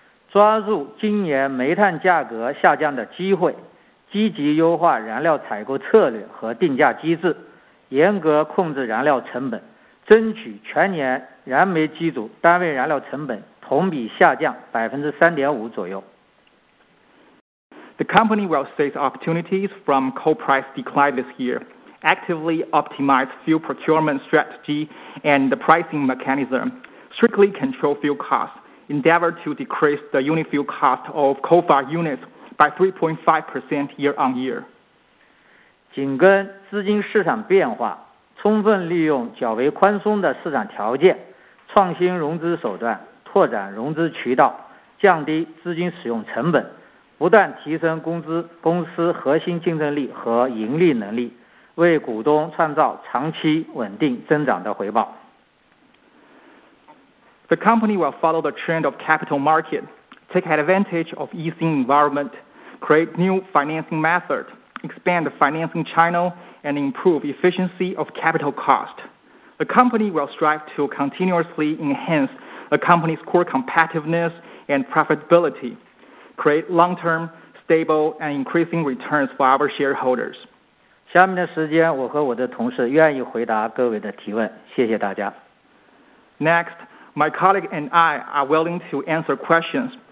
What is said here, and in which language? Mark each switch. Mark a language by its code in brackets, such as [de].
[zh] 抓住今年煤炭价格下降的机会，积极优化燃料采购策略和定价机制，严格控制燃料成本，争取全年燃煤机组单位燃料成本同比下降3.5%左右。 [en] The company will seize opportunities from coal price decline this year, actively optimize fuel procurement strategy and the pricing mechanism, strictly control fuel costs, endeavor to decrease the unit fuel cost of coal-fired units. by 3.5% year on year. [zh] 紧跟资金市场变化，充分利用较为宽松的市场条件，创新融资手段，拓展融资渠道，降低资金使用成本，不断提升公司核心竞争力和盈利能力，为股东创造长期稳定增长的回报。 [en] The company will follow the trend of capital market. Take advantage of easing environment, create new financing method, expand the financing channel, and improve efficiency of capital cost. The company will strive to continuously enhance the company's core competitiveness and profitability, create long-term, stable, and increasing returns for our shareholders. [zh] 下面的时间，我和我的同事愿意回答各位的提问，谢谢大家。 [en] Next, my colleague and I are willing to answer questions.